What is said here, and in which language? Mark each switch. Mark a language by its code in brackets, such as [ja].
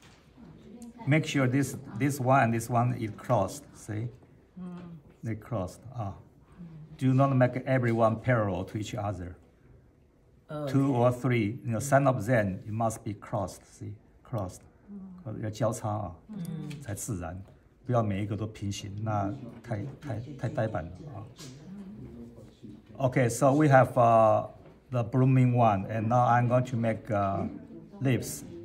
[en] Watercolor. Make sure this one and this one is crossed. See? They crossed. Ah. Do not make everyone parallel to each other. Two or three, you know, sign of Zen, it must be crossed, see? Crossed. [zh] 要交叉啊，才自然。不要每一个都平行，那太呆板了啊。 [en] Okay, so we have the blooming one, and now I'm going to make leaves.